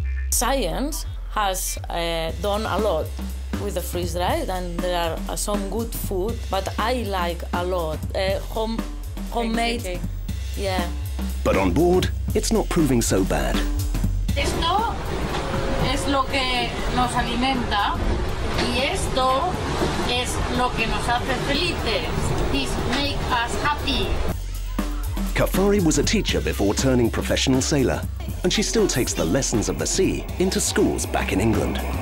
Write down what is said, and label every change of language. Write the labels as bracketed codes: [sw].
[en] Science has done a lot with the freeze-dried, and there are some good food, but I like a lot homemade. Okay. Yeah. But on board, it's not proving so bad. [es] Esto es lo que nos alimenta, y esto es lo que nos hace felices. [en] This makes us happy. Cafari was a teacher before turning professional sailor, and she still takes the lessons of the sea into schools back in England.